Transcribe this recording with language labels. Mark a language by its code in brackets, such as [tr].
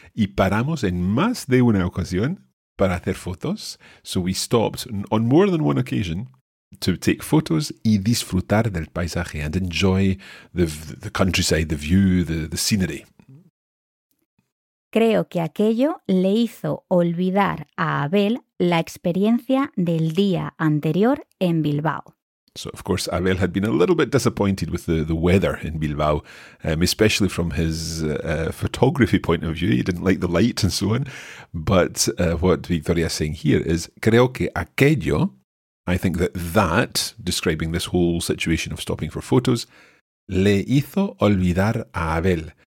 [es] Y paramos en más de una ocasión para hacer fotos. [en] So we stopped on more than one occasion to take photos [es] y disfrutar del paisaje [en] and enjoy the countryside, the view, the scenery. [es] Creo que aquello le hizo olvidar a Abel la experiencia del día anterior en Bilbao. [en] So, of course, Abel had been a little bit disappointed with the weather in Bilbao, especially from his photography point of view. He didn't like the light and so on. But what Victoria is saying here is, [es] creo que aquello, [en] I think that, describing this whole situation of stopping for photos, [es] le hizo olvidar a Abel.